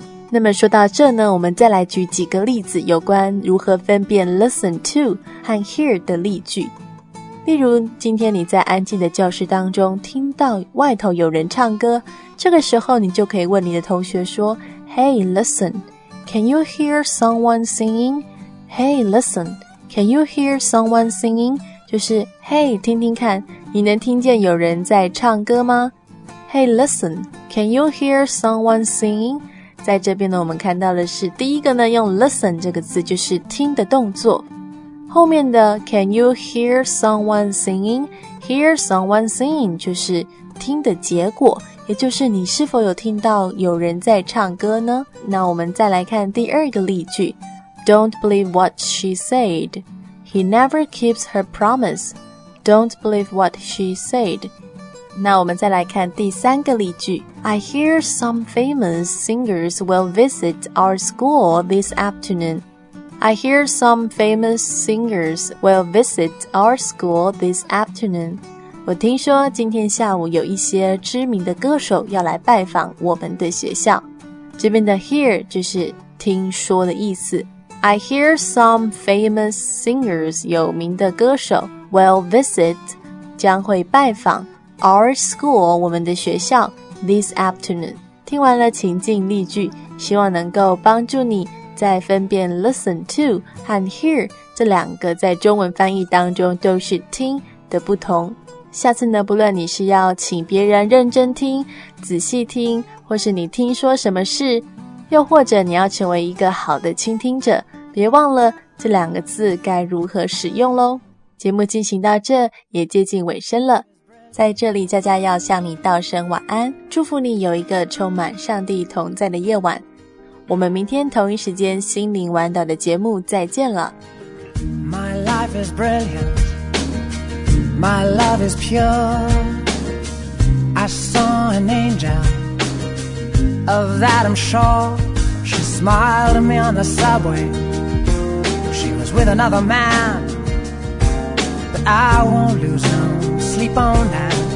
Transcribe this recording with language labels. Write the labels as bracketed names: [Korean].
[Chinese] 那么说到这呢，我们再来举几个例子有关如何分辨 listen to 和 hear 的例句。例如今天你在安静的教室当中听到外头有人唱歌，这个时候你就可以问你的同学说 [English] Hey, listen, can you hear someone singing? Hey, listen, can you hear someone singing? [Chinese] 就是 Hey, 听听看，你能听见有人在唱歌吗？ [English] Hey, listen, can you hear someone singing? [Chinese] 在这边呢，我们看到的是第一个呢，用 listen 这个字就是听的动作。 [English] 后面的 can you hear someone singing? Hear someone singing [Chinese] 就是听的结果，也就是你是否有听到有人在唱歌呢？那我们再来看第二个例句。 [English] Don't believe what she said. He never keeps her promise. Don't believe what she said. [Chinese] 那我们再来看第三个例句。 [English] I hear some famous singers will visit our school this afternoon. I hear some famous singers will visit our school this afternoon. [Chinese] 我听说今天下午有一些知名的歌手要来拜访我们的学校。这边的 hear 就是听说的意思。 [English] I hear some famous singers [Chinese] 有名的歌手 [English] will visit [Chinese] 将会拜访 [English] Our school, [Chinese] 我们的学校 [English] this afternoon. [Chinese] 听完了情境例句，希望能够帮助你在分辨 listen to 和 hear 这两个在中文翻译当中都是听的不同。下次呢，不论你是要请别人认真听、仔细听，或是你听说什么事，又或者你要成为一个好的倾听者，别忘了这两个字该如何使用咯。节目进行到这，也接近尾声了。在这里佳佳要向你道声晚安，祝福你有一个充满上帝同在的夜晚。我们明天同一时间心灵晚祷的节目再见了。 [English] My life is brilliant, My love is pure, I saw an angel, Of that I'm sure, She smiled at me on the subway, She was with another man, But I won't lose no sleep on that.